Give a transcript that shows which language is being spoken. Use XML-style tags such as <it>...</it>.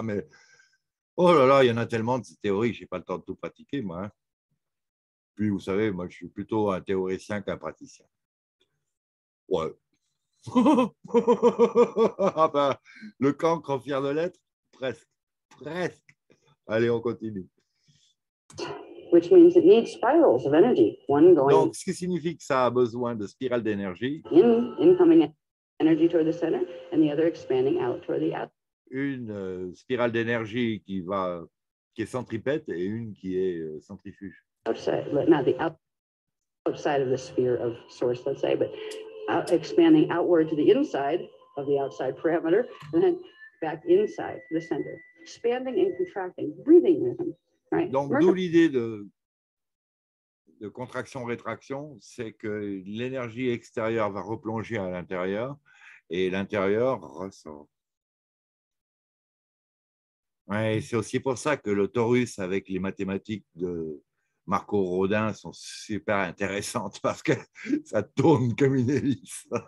<fr>Mais oh là là, il y en a tellement de ces théories, j'ai pas le temps de tout pratiquer, moi, hein? Puis vous savez, moi, je suis plutôt un théoricien qu'un praticien. Ouais. Ah ben, le cancre fier de l'être, presque, presque. Allez, on continue.</fr> <en>Which means it needs spirals of energy, one going</en> <fr>Donc, ce qui signifie que ça a besoin de spirales d'énergie.</fr> <en>Incoming energy toward the center and the other expanding out toward the outer.</en> <fr>Une spirale d'énergie qui est centripète et une qui est centrifuge.</fr> <en>Outside, not the outside of the sphere of source, let's say, but expanding outward to the inside of the outside parameter and then back inside the center, expanding and contracting, breathing rhythm, right?</en> <fr>Donc, d'où l'idée de contraction-rétraction, c'est que l'énergie extérieure va replonger à l'intérieur et l'intérieur ressort. Ouais, c'est aussi pour ça que le torus avec les mathématiques de Marco Rodin sont super intéressantes parce que ça tourne comme une hélice.</fr>